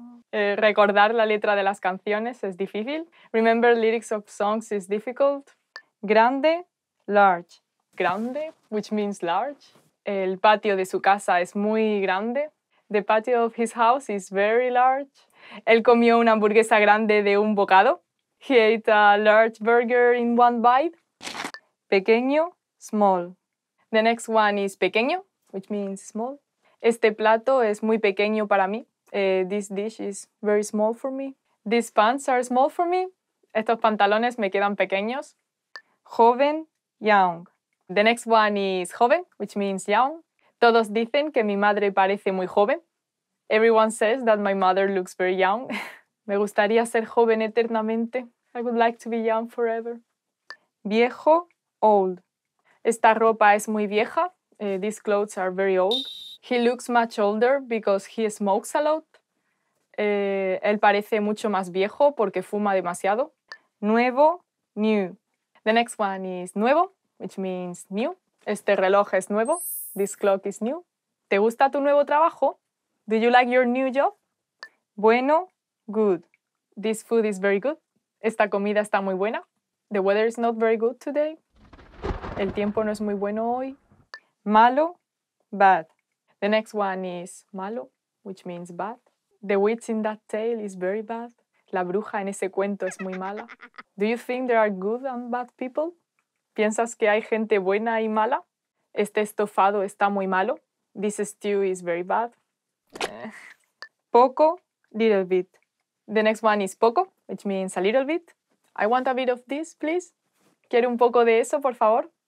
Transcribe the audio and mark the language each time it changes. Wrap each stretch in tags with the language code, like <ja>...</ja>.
<es>Recordar la letra de las canciones es difícil.</es> <en>Remember lyrics of songs is difficult. Grande, large. Grande, which means large.</en> <es>El patio de su casa es muy grande.</es> <en>The patio of his house is very large.</en> <es>Él comió una hamburguesa grande de un bocado.</es> <en>He ate a large burger in one bite. Pequeño, small. The next one is pequeño, which means small.</en> <es>Este plato es muy pequeño para mí.</es> <en>This dish is very small for me. These pants are small for me.</en> <es>Estos pantalones me quedan pequeños.</es> <en>Joven, young. The next one is joven, which means young.</en> <es>Todos dicen que mi madre parece muy joven.</es> <en>Everyone says that my mother looks very young.</en> <es>Me gustaría ser joven eternamente.</es> <en>I would like to be young forever.</en> <es>Viejo, old. Esta ropa es muy vieja.</es> <en>These clothes are very old. He looks much older because he smokes a lot.</en> <es>Él parece mucho más viejo porque fuma demasiado.</es> <en>Nuevo, new. The next one is nuevo, which means new.</en> <es>Este reloj es nuevo.</es> <en>This clock is new.</en> <es>¿Te gusta tu nuevo trabajo?</es> <en>Do you like your new job? Bueno, good. This food is very good.</en> <es>Esta comida está muy buena.</es> <en>The weather is not very good today.</en> <es>El tiempo no es muy bueno hoy. Malo, bad.</es> <en>The next one is malo, which means bad. The witch in that tale is very bad.</en> <es>La bruja en ese cuento es muy mala.</es> <en>Do you think there are good and bad people?</en> <es>¿Piensas que hay gente buena y mala? Este estofado está muy malo.</es> <en>This stew is very bad. Poco, little bit. The next one is poco, which means a little bit. I want a bit of this, please.</en> <es>¿Quiere un poco de eso, por favor?</es>